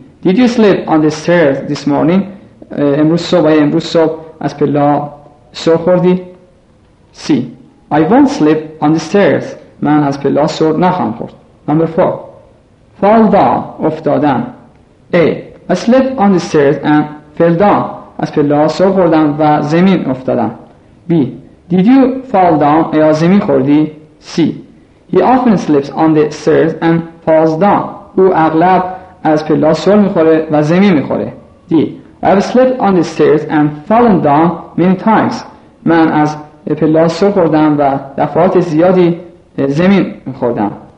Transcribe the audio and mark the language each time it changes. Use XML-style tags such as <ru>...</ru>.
<en>Did you slip on the stairs this morning?</en> <fa>امروز صبح از پلا سر خوردی؟ C.</fa> <en>I won't slip on the stairs.</en> <fa>من از پلا سر نخواهم خورد.</fa> <en>Number 4. Fall down. افتادن. A. I slip on the stairs and fell down.</en> <fa>از پلا سر خوردم و زمین افتادم. B. Did you fall down? یا زمین خوردی؟ C.</fa> <en>He often slips on the stairs and falls down.</en> <fa>او اغلب از پلا سر میخوره و زمین میخوره.</fa> <en>D. I have slipped on the stairs and fallen down many times.</en> <fa>من از پلا سر خوردم و دفعات زیادی زمین خوردم.</fa>